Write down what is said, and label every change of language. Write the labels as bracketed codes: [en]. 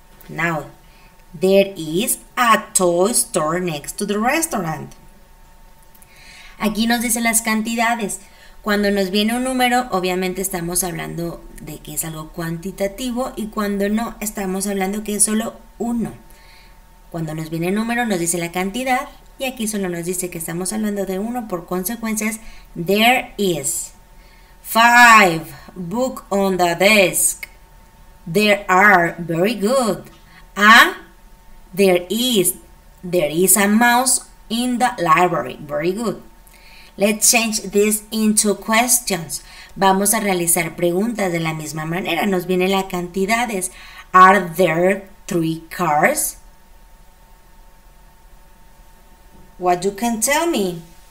[en] Now, there is a toy store next to the restaurant. [es] Aquí nos dicen las cantidades. Cuando nos viene un número, obviamente estamos hablando de que es algo cuantitativo y cuando no, estamos hablando que es solo uno. Cuando nos viene el número, nos dice la cantidad y aquí solo nos dice que estamos hablando de uno. Por consecuencia, es [en] there is. Five, book on the desk. There are, very good. There is a mouse in the library, very good. Let's change this into questions. [es] Vamos a realizar preguntas de la misma manera. Nos viene la cantidades. [en] Are there three cars? What you can tell me?